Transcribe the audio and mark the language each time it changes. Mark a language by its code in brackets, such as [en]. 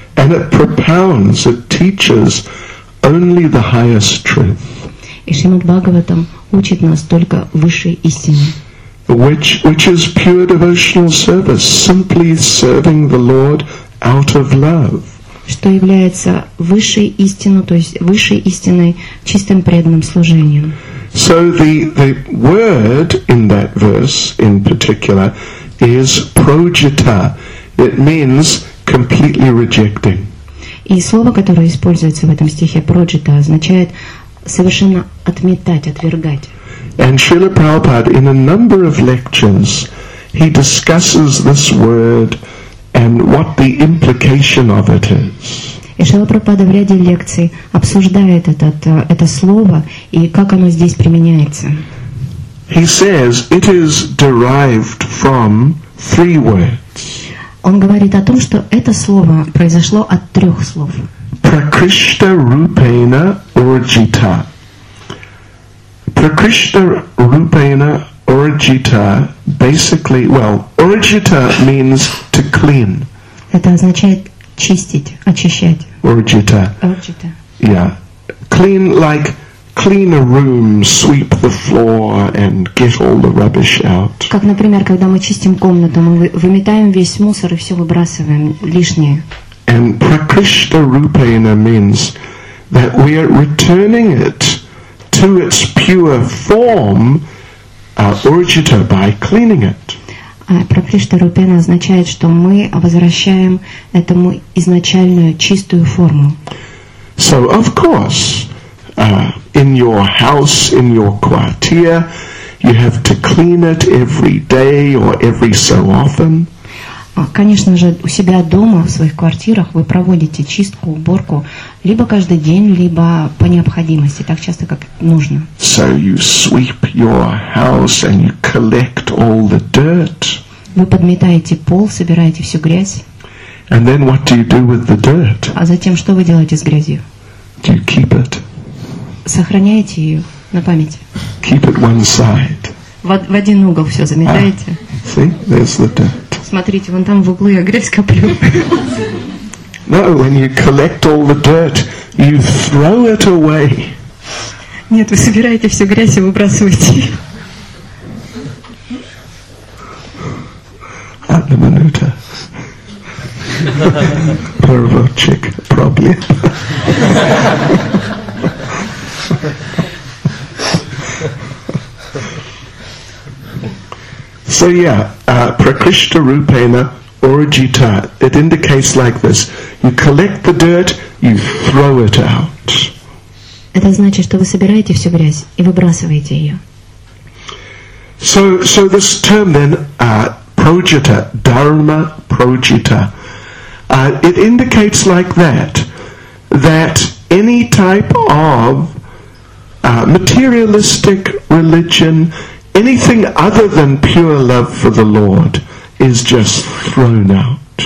[en] And it propounds, it teaches only the highest truth. [ru] И Шримад Бхагаватам учит нас только высшей истине. [en] Which is pure devotional service, simply serving the Lord out of love. [ru] Что является высшей истиной, то есть высшей истиной чистым преданным служением. [en] So the word in that verse in particular is projita. It means completely rejecting. [ru] И слово, которое используется в этом стихе «проджита», означает совершенно отметать, отвергать. [en] And Srila Prabhupada, in a number of lectures, he discusses this word and what the implication of it is. [ru] И Шрила Прабхупада в ряде лекций обсуждает это слово и как оно здесь применяется. [en] He says it is derived from three words. [ru] Он говорит о том, что это слово произошло от трех слов. [sa] Prakrishta rupena urjita. Prakrishta rupena urjita [en] basically, well, urjita means to clean. [ru] Это означает чистить, очищать. [sa] Urjita. Urjita. [en] Yeah. Clean, like clean a room, sweep the floor and get all the rubbish out. [ru] Как, например, когда мы чистим комнату, мы выметаем весь мусор и все выбрасываем лишнее. [en] And prakrishta rupena means that we are returning it to its pure form, urjita, by cleaning it. [ru] Prakrishta rupena означает, что мы возвращаем этому изначальную чистую форму. [en] So, of course, in your house, in your quartier, you have to clean it every day or every so often. [ru] Конечно же, у себя дома, в своих квартирах, вы проводите чистку, уборку либо каждый день, либо по необходимости, так часто, как нужно. [en] So you sweep your house and you collect all the dirt. [ru] Вы подметаете пол, собираете всю грязь. [en] And then what do you do with the dirt? [ru] А затем что вы делаете с грязью? [en] Do you keep it? [ru] Сохраняете ее на память. [en] Keep it one side. [ru] В один угол все заметаете. [en] See, there's the dirt. [ru] Смотрите, вон там в углу я грязь коплю. [en] No, when you collect all the dirt, you throw it away. [ru] Нет, вы собираете всю грязь и выбрасываете. Одна минута. Первочек проблем. [en] So yeah, [sa] prakrishta rupena urjita, [en] it indicates like this. You collect the dirt, you throw it out. [ru] Это значит, что вы собираете всю грязь и выбрасываете ее. [en] So this term then, projita, dharma projita, it indicates like that any type of materialistic religion, anything other than pure love for the Lord is just thrown out.